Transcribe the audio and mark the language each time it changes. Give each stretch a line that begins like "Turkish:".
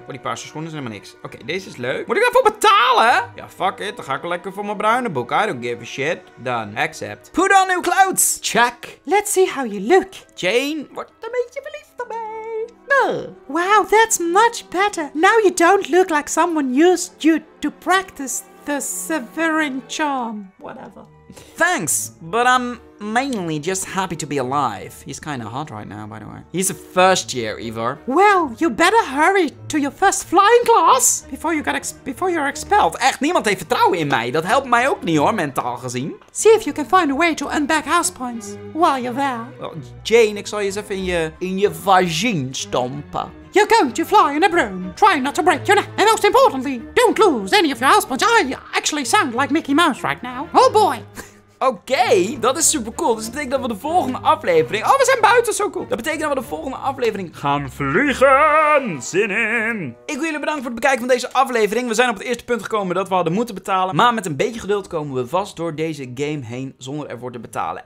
Dutch: Oh, die paarse schoenen zijn helemaal niks. Oké, deze is leuk. Moet ik daarvoor betalen? Ja, fuck it. Dan ga ik lekker voor mijn bruine boek.
English: I don't give a shit. Done. Accept. Put on new clothes. Check. Let's see how you look.
Dutch: Jane, wordt een beetje verliefd op mij.
English: Wow, that's much better. Now you don't look like someone used you to practice the Severin charm. Whatever. Thanks, but I'm mainly just happy to be alive. He's kind of hot right now, by the way. He's a first year, Ivor. Well, you better hurry to your first flying class before you're expelled.
Dutch: Echt, niemand heeft vertrouwen in mij. Dat helpt mij ook niet hoor, mentaal gezien.
English: See if you can find a way to unback house points while you're there.
Dutch: Well, Jane, ik zal je eens even in je vagine stompen.
English: You're going to fly in a broom. Try not to break your neck. And most importantly, don't lose any of your house points. I actually sound like Mickey Mouse right now. Oh boy.
Dutch: Okay, dat is super cool. Dus dat betekent dat we de volgende aflevering... Oh, we zijn buiten, zo cool. Dat betekent dat we de volgende aflevering gaan vliegen. Zin in. Ik wil jullie bedanken voor het bekijken van deze aflevering. We zijn op het eerste punt gekomen dat we hadden moeten betalen. Maar met een beetje geduld komen we vast door deze game heen zonder ervoor te betalen.